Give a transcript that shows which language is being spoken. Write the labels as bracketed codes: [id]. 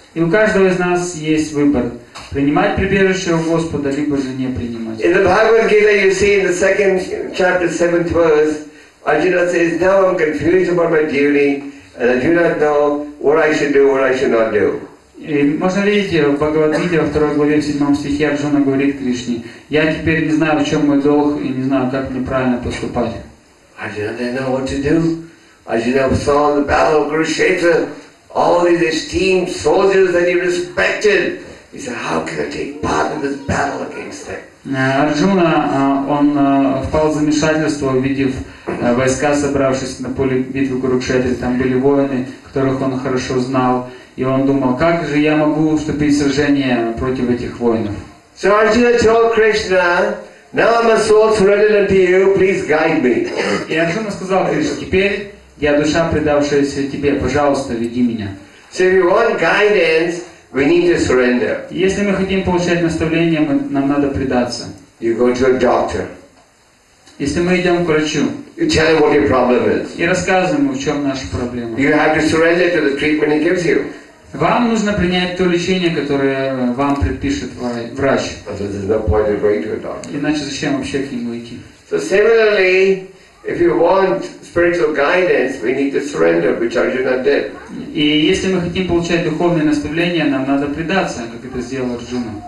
[ru] И у каждого из нас есть выбор принимать прибежище у Господа, либо же не принимать. [en] In the Bhagavad Gita, you see in the second chapter, seventh verse, Arjuna says, "Now I'm confused about my duty, and I do not know what I should do, what I should not do." [ru] И можно видеть в Бхагавад-гите во 2 главе, в 7 стихе Арджуна говорит Кришне, я теперь не знаю, в чем мой долг и не знаю, как мне правильно поступать. [en] Arjuna didn't know what to do. Arjuna saw the battle of Kurukshetra, all these esteemed soldiers that he respected. He said, how can I take part in this battle against them? [ru] Арджуна, он впал в замешательство, увидев войска, собравшись на поле битвы Курукшетры. Там были воины, которых он хорошо знал. И он думал, как же я могу вступить в сражение против этих воинов. [en] So Arjuna told Krishna, now I'm a soul surrendered unto you, please guide me. [ru] И Арджуна сказал Кришне, теперь я душа, предавшаяся тебе, пожалуйста, веди меня. [en] So if you want guidance, we need to surrender. [ru] Если мы хотим получать наставление, нам надо предаться. [en] You go to a doctor. [ru] Если мы идем к врачу, [en] you tell him what your problem is. [ru] И рассказываем ему, в чем наша проблема. [en] You have to surrender to the treatment he gives you. [ru] Вам нужно принять то лечение, которое вам предпишет врач. Иначе зачем вообще к нему идти? [en] So similarly, if you want spiritual guidance, we need to surrender, which Arjuna did. [ru] И если мы хотим получать духовное наставление, нам надо предаться, как это сделал Арджуна.